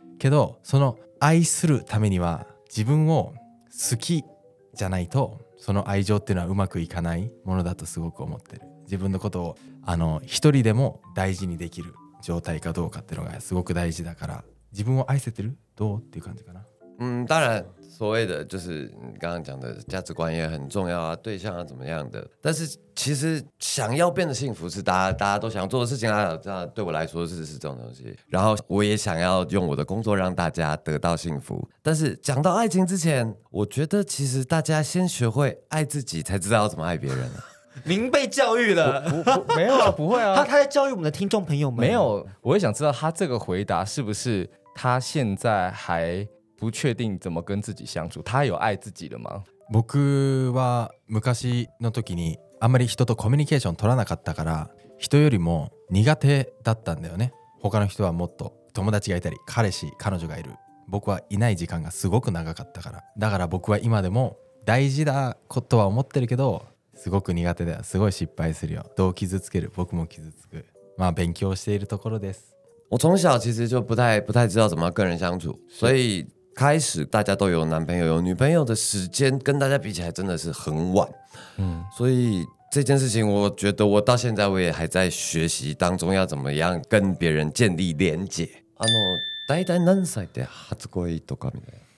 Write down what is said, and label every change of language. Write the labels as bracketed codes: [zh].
[ja] けど、その愛するためには自分を好きじゃないとその愛情っていうのはうまくいかないものだとすごく思ってる。自分のことをあの一人でも大事にできる状態かどうかっていうのがすごく大事だから、自分を愛せてる？どうっていう感じかな。 [zh] 当然所谓的就是刚刚讲的价值观也很重要啊，对象啊怎么样的。但是其实想要变得幸福是大家都想做的事情啊。那对我来说是这种东西。然后我也想要用我的工作让大家得到幸福。但是讲到爱情之前，我觉得其实大家先学会爱自己，才知道怎么爱别人啊。您被教育了？没有啊，不会啊。他在教育我们的听众朋友们。没有，我也想知道他这个回答是不是他现在还不确定怎么跟自己相处，他有爱自己了吗？ [ja] 僕は昔の時にあまり人とコミュニケーション取らなかったから、人よりも苦手だったんだよね。他の人はもっと友達がいたり、彼氏、彼女がいる。僕はいない時間がすごく長かったから。だから僕は今でも大事だことは思ってるけど、すごく苦手だよ。すごい失敗するよ。どう傷つける？僕も傷つく。まあ勉強しているところです。 [zh] 我从小其实就不太知道怎么跟人相处，所以开始大家都有男朋友有女朋友的时间跟大家比起来真的是很晚，所以这件事情我觉得我到现在我也还在学习当中要怎么样跟别人建立连结。 [ja] あの、大体何歳で初恋とかみたいな。